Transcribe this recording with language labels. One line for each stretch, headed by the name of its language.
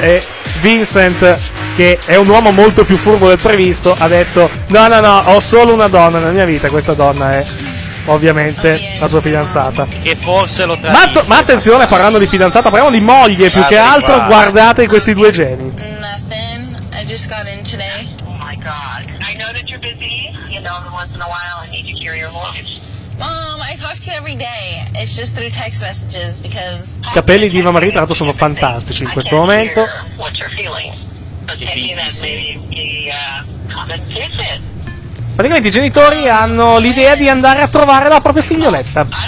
Italian: E Vincent, che è un uomo molto più furbo del previsto, ha detto, no, ho solo una donna nella mia vita, questa donna è ovviamente la sua fidanzata. Che forse lo tradisce. Ma attenzione, parlando di fidanzata, parliamo di moglie, guarda, più che altro, guarda. Guardate questi due geni.
English: Nothing, I just got in today. Oh my god, I know that you're busy. You know, once in a while I need to hear your voice. I talk to you every day. It's just through text messages because...
Italian: I capelli di Eva Marie tra l'altro sono fantastici in questo momento. Praticamente i genitori hanno l'idea di andare a trovare la propria figlioletta.